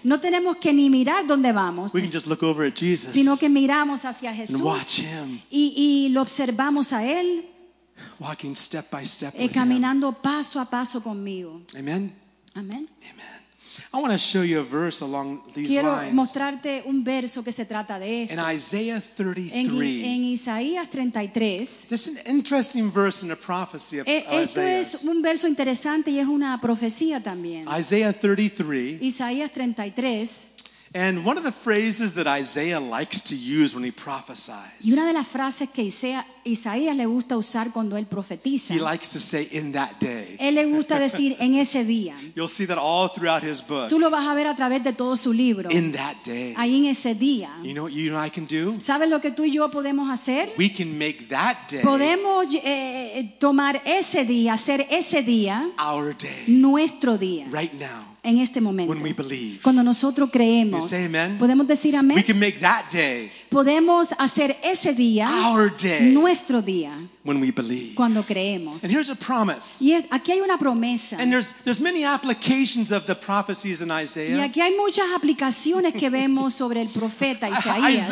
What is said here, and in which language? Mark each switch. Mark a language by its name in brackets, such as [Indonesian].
[Spanish] No tenemos que ni mirar dónde vamos. [English] We can just look over at Jesus. [Spanish] Sino que miramos hacia Jesús. [English] And watch him. [Spanish] Y lo observamos a él. [English] Walking step by step [Spanish] with caminando him. Paso a paso conmigo. [English] Amen. Amen. Amen. I want to show you a verse along these [Spanish] Quiero [English] lines. [Spanish] Mostrarte un verso que se trata de esto. [English] In Isaiah 33. [Spanish] En Isaías 33. [English] This is an interesting verse in a prophecy of Isaiah. [Spanish] Esto es un verso interesante y es una profecía también. [English] Isaiah 33. [Spanish] Isaías 33. [English] And one of the phrases that Isaiah likes to use when he prophesies. [Spanish] Y una de las frases que Isaías le gusta usar cuando él profetiza. [English] He likes to say in that day. [Spanish] Él le gusta decir en ese día. [English] You'll see that all throughout his book. [Spanish] Tú lo vas a ver a través de todo su libro. [English] In that day. [Spanish] Ahí en ese día. [English] You know what you and I can do? [Spanish] ¿Sabes lo que tú y yo podemos hacer? [English] We can make that day. [Spanish] Podemos tomar ese día, hacer ese día. [English] Our day. [Spanish] Nuestro día. [English] Right now. [Spanish] En este momento, [English] when we believe, [Spanish] cuando nosotros creemos, [English] say amen, [Spanish] podemos decir amén. [English] We can make that day, [Spanish] podemos hacer ese día [English] our day, [Spanish] nuestro día [English] when we believe. [Spanish] Cuando creemos. [English] And here's a promise. [Spanish] Y aquí hay una promesa. [English] And there's many applications of the prophecies in Isaiah. [Spanish] Y aquí hay muchas aplicaciones que vemos sobre el profeta Isaías.